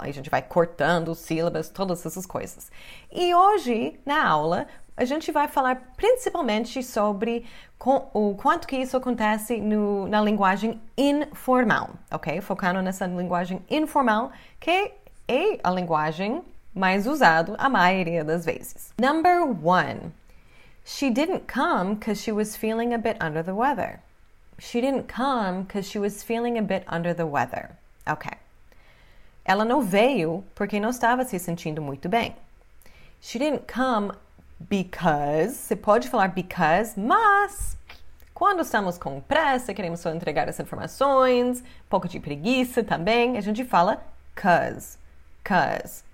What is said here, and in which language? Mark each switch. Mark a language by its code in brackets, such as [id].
[pt] A gente vai cortando sílabas, todas essas coisas. E hoje, na aula, a gente vai falar principalmente sobre o quanto que isso acontece na linguagem informal, ok? Focando nessa linguagem informal, que é a linguagem mais usada a maioria das vezes. [en] Number one, she didn't come because she was feeling a bit under the weather. She didn't come because she was feeling a bit under the weather. Ok. [pt] Ela não veio porque não estava se sentindo muito bem. [en] She didn't come because, [pt] você pode falar because, mas quando estamos com pressa, queremos só entregar as informações, pouco de preguiça também, a gente fala because, because.